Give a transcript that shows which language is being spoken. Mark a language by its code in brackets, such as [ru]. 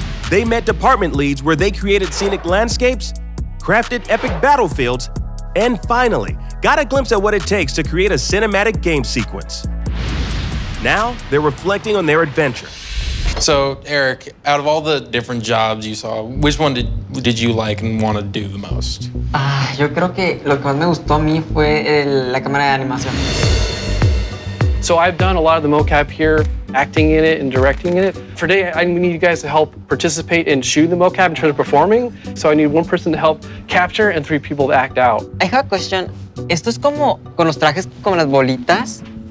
[en] They met department leads where they created scenic landscapes, crafted epic battlefields, and finally, got a glimpse at what it takes to create a cinematic game sequence. Now, they're reflecting on their adventure. So, Eric, out of all the different jobs you saw, which one did you like and want to do the most? [es] Yo creo que lo que más me gustó a mí fue la cámara de animación. [en] So I've done a lot of the mocap here, acting in it and directing in it. For today, I need you guys to help participate and shoot the mocap in terms of performing. So I need one person to help capture and three people to act out. I have a question. [es] ¿Esto es como con los trajes, como las bolitas?